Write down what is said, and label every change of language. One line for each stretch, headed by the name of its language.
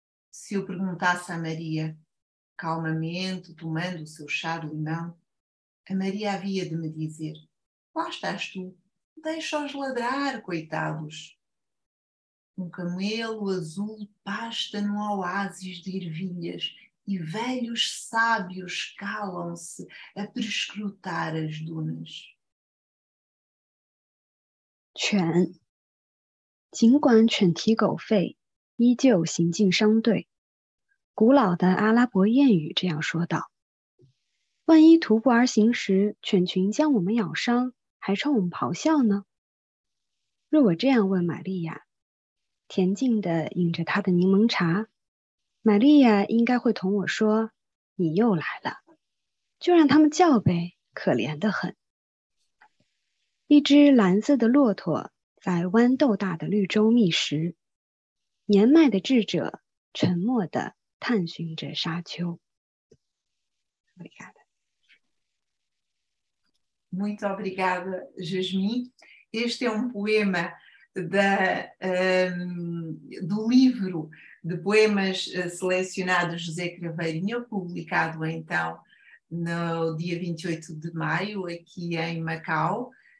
Portuguese: Se eu perguntasse à Maria, calmamente tomando o seu chá de limão, a Maria havia de me dizer, lá estás tu, deixa-os ladrar, coitados. Um camelo azul pasta num oásis de ervilhas e velhos sábios calam-se a perscrutar as dunas.
Chinese: Quan, 尽管犬啼狗吠，依旧行进相对。古老的阿拉伯谚语这样说道：万一徒步而行时，犬群将我们咬伤，还冲我们咆哮呢？若我这样问玛利亚。恬静地饮着他的柠檬茶，玛利亚应该会同我说：“你又来了，就让他们叫呗，可怜得很。”一只蓝色的骆驼在豌豆大的绿洲觅食，年迈的智者沉默地探寻着沙丘。
Portuguese: Obrigada. Muito obrigada, Jasmin. Este é um poema do livro de poemas selecionados José Craveirinha, publicado então no dia 28 de maio aqui em Macau,